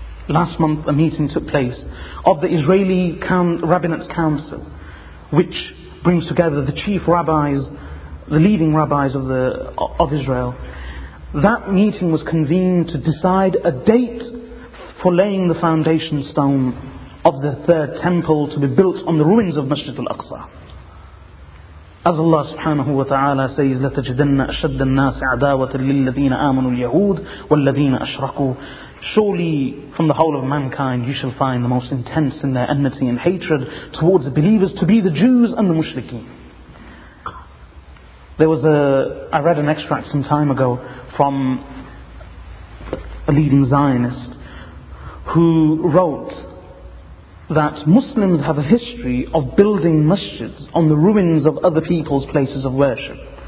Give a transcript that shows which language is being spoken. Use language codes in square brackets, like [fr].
[en] Last month, a meeting took place of the Israeli Rabbinate Council, which brings together the chief rabbis, the leading rabbis of Israel. That meeting was convened to decide a date for laying the foundation stone of the third temple to be built on the ruins of Masjid al-Aqsa. As Allah subhanahu wa ta'ala says, [ar] لَتَجِدَنَّ أَشَدَّ النَّاسِ عَدَاوَةً لِلَّذِينَ آمَنُوا الْيَهُودِ وَالَّذِينَ أَشْرَكُوا. [en] Surely from the whole of mankind you shall find the most intense in their enmity and hatred towards the believers to be the Jews and the Mushrikeen. I read an extract some time ago from a leading Zionist who wrote that Muslims have a history of building masjids on the ruins of other people's places of worship.